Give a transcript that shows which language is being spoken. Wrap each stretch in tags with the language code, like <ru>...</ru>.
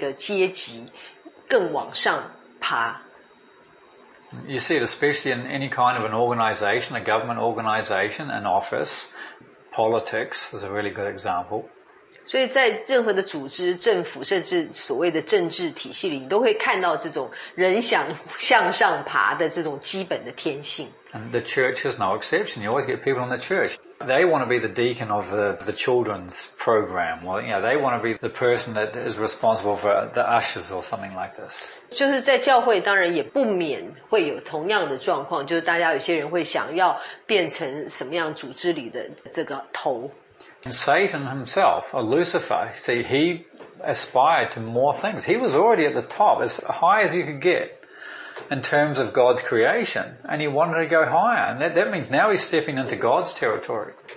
<zh>就说在所有的组织里面都有这样的状况，就是说每一个人都会想要从他的那个阶级更往上爬。</zh> <en>You see it especially in any kind of an organization, a government organization, an office, politics is a really good example.</en> <zh>所以在任何的组织、政府甚至所谓的政治体系里，你都会看到这种人想向上爬的这种基本的天性。</zh> <en>And the church is no exception. You always get people in the church. They want to be the deacon of the children's program. Well, you know, they want to be the person that is responsible for the ushers or something like this.</en> <zh>就是在教会当然也不免会有同样的状况，就是大家有些人会想要变成什么样组织里的这个头。</zh> <en>And Satan himself, or Lucifer, see, he aspired to more things. He was already at the top, as high as you could get in terms of God's creation, and he wanted to go higher. And that means now he's stepping into God's territory.</en>